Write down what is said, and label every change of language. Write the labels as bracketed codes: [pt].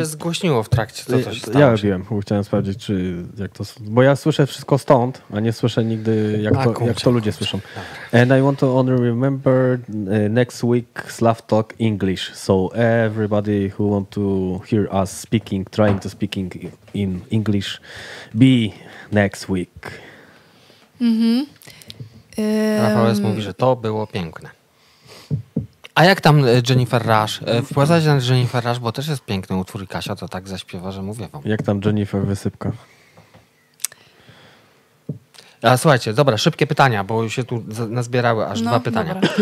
[pl] się zgłośniło w trakcie, co coś stało. Ja robiłem, bo chciałem sprawdzić, czy jak to... Bo ja słyszę wszystko stąd, a nie słyszę nigdy, jak, a, to, kurczę, jak to ludzie słyszą. [en] And I want to only remember next week Slav Talk English. So everybody who want to hear us speaking, trying to speaking in English, be next week. Mm-hmm. [pl] Rafał mówi, że to było piękne. A jak tam Jennifer Rush? Wpłacać na Jennifer Rush, bo też jest piękny utwór i Kasia to tak zaśpiewa, że mówię wam. Jak tam Jennifer Wysypka? A słuchajcie, dobra, szybkie pytania, bo już się tu nazbierały aż dwa pytania.